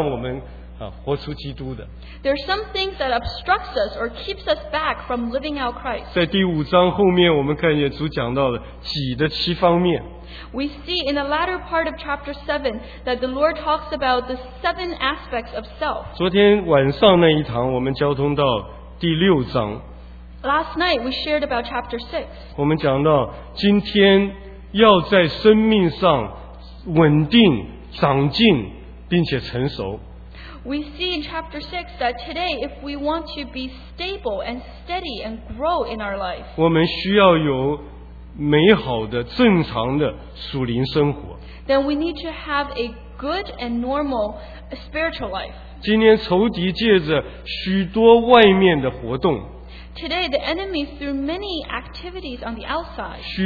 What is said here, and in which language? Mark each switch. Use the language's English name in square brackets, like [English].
[Chinese] 有一些的在我们身上是妨碍我们或者拉住我们，不让我们活出基督的。 [English] There are some things that obstructs us or keeps us back from living out Christ. [Chinese] 在第五章后面，我们看见主讲到了己的七方面。 [English] We see in the latter part of chapter 7 that the Lord talks about the seven aspects of self. [Chinese] 昨天晚上那一堂，我们交通到第六章。 [English] Last night we shared about chapter 6. [Chinese] 我们讲到今天要在生命上稳定、长进，并且成熟。 [English] We see in chapter 6 that today, if we want to be stable and steady and grow in our life, [Chinese] 我们需要有美好的、正常的属灵生活。 [English] Then we need to have a good and normal spiritual life. [Chinese] 今天仇敌借着许多外面的活动。 [English] Today, the enemy through many activities on the outside.